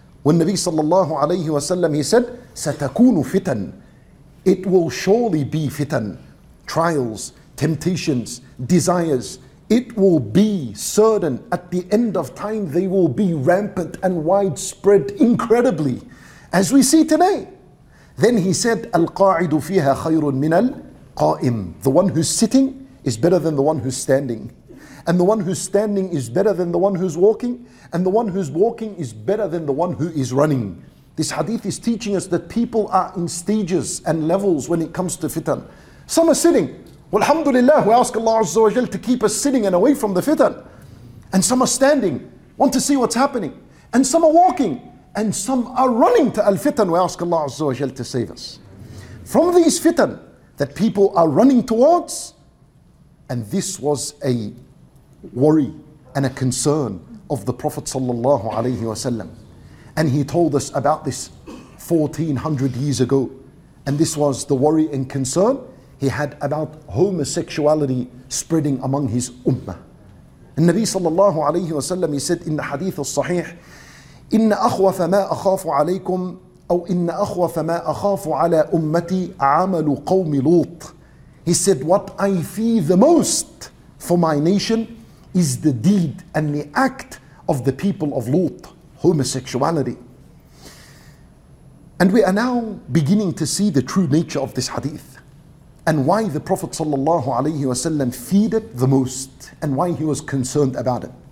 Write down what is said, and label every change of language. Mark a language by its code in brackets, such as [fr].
[en] When Nabi sallallahu alayhi wa sallam, he said, [ar] سَتَكُونُ فِتَنْ. [en] It will surely be fitan. Trials, temptations, desires. It will be certain at the end of time, they will be rampant and widespread incredibly. As we see today. Then he said, [ar] الْقَاعِدُ فِيهَا خَيْرٌ مِنَ الْقَائِمِ. [en] The one who's sitting is better than the one who's standing. And the one who's standing is better than the one who's walking. And the one who's walking is better than the one who is running. This hadith is teaching us that people are in stages and levels when it comes to fitan. Some are sitting. Alhamdulillah, we ask Allah Azza wa Jal to keep us sitting and away from the fitan. And some are standing, want to see what's happening. And some are walking. And some are running to al-fitan. We ask Allah Azza wa Jal to save us. From these fitan that people are running towards, and this was a worry and a concern of the Prophet sallallahu alayhi wa sallam. And he told us about this 1400 years ago. And this was the worry and concern he had about homosexuality spreading among his ummah. And Nabi sallallahu alayhi wa sallam, he said in the hadith al-sahih, [ar] إن أخوف ما أخاف عليكم أو إن أخوف ما أخاف على أمتي عمل قوم لوط. [en] He said, what I fear the most for my nation is the deed and the act of the people of Lut, homosexuality. And we are now beginning to see the true nature of this hadith and why the Prophet sallallahu alayhi wa sallam feared it the most and why he was concerned about it.